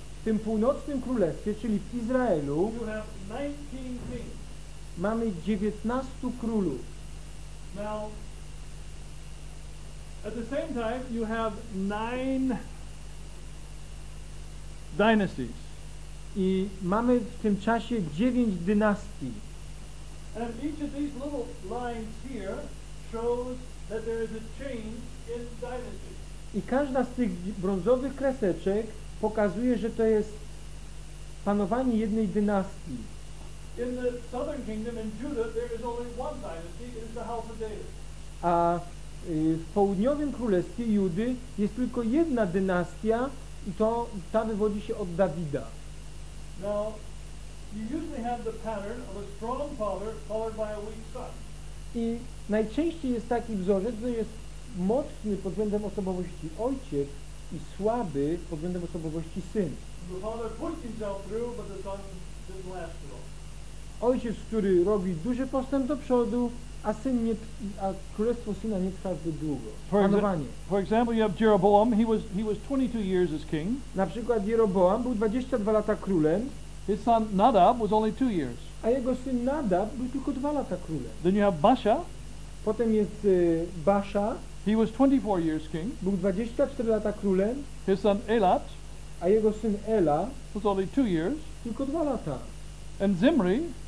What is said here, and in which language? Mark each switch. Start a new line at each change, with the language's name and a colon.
Polish: w tym północnym królestwie, czyli w Izraelu,
English: you have 19 kings.
Polish: Mamy 19 królów.
English: Now, at the same time, you have 9 dynasties.
Polish: I mamy w tym czasie 9 dynastii.
English: And each of these little lines here shows that there is a change in dynasty.
Polish: I każda z tych brązowych kreseczek pokazuje, że to jest panowanie jednej dynastii.
English: In the southern kingdom in Judah there is only one dynasty, it is the house of David.
Polish: A w południowym królestwie Judy jest tylko jedna dynastia. I to, ta wywodzi się od Dawida.
English: Now, you usually have the pattern of a strong father followed by a weak son.
Polish: I najczęściej jest taki wzorzec, że jest mocny pod względem osobowości ojciec i słaby pod względem osobowości syn.
English: The father pushed himself through, but the son didn't last long.
Polish: Ojciec, który robi duży postęp do przodu, a syn nie, a królestwo syna nie trwa zbyt długo. Panowanie.
English: For example, you have Jeroboam. He was 22 years as king.
Polish: Na przykład Jeroboam był 22 lata królem.
English: His son Nadab was only 2 years.
Polish: A jego syn Nadab był tylko 2 lata królem.
English: Then you have Baasha.
Polish: Potem jest Baasha.
English: He was 24 years king.
Polish: Był 24 lata królem.
English: His son Elat.
Polish: A jego syn Ela
English: was only 2 years.
Polish: Tylko 2 lata.
English: And Zimri.